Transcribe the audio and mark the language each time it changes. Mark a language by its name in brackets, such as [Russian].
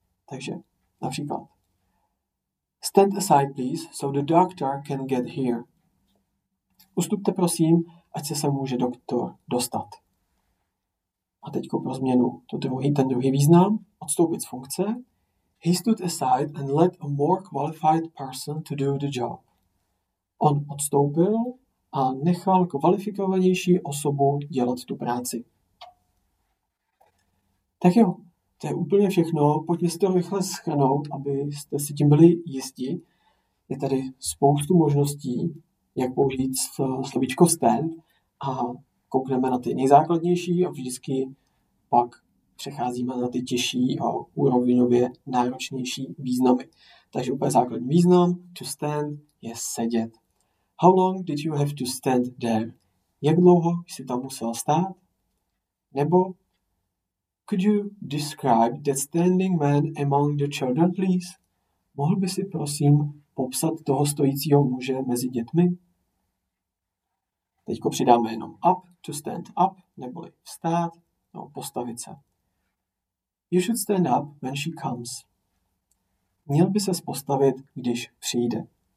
[Czech] Takže například [English] stand aside please, so the doctor can get here. [Czech] Ustupte prosím, ať se sem může doktor dostat. A teďko pro změnu ten druhý význam, odstoupit z funkce. [English] He stood aside and let a more qualified person to do the job. [Czech] On odstoupil a nechal kvalifikovanější osobu dělat tu práci. Tak jo, to je úplně všechno. Pojďme si to rychle shrnout, abyste si tím byli jisti. Je tady spoustu možností, jak použít slovíčko stand, a koukneme na ty nejzákladnější a vždycky pak přecházíme na ty těžší a úrovinově náročnější významy. Takže úplně základní význam, to stand, je sedět. [English] How long did you have to stand there? [Czech] Jak dlouho jsi tam musel stát? Nebo [English] could you describe that standing man among the children, please? [Czech] Mohl by si prosím popsat toho stojícího muže mezi dětmi? Teďko přidáme jenom up, to stand up, neboli vstát, no, postavit se. [English] You should stand up when she comes. [Czech] Měl by ses postavit, když přijde.